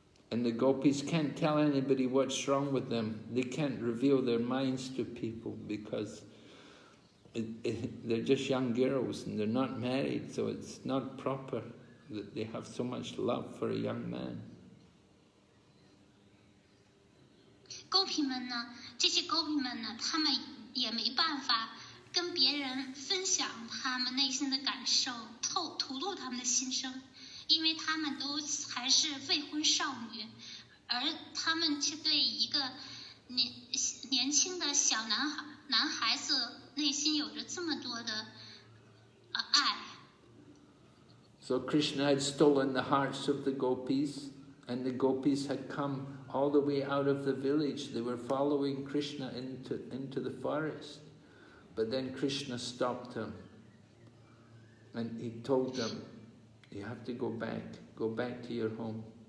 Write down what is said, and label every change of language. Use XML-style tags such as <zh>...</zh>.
<en>And the gopis can't tell anybody what's wrong with them. They can't reveal their minds to people because they're just young girls and they're not married, so it's not proper that they have so much love for a young man.</en> <zh>Gopi 们呢，这些 Gopi 们呢，他们也没办法跟别人分享他们内心的感受，吐露他们的心声，因为他们都还是未婚少女，而他们却对一个年轻的小男孩子内心有着这么多的爱。</zh> <en>So Krishna had stolen the hearts of the gopis, and the gopis had come all the way out of the village. They were following Krishna into the forest. But then Krishna stopped him and he told them, you have to go back to your home.</en>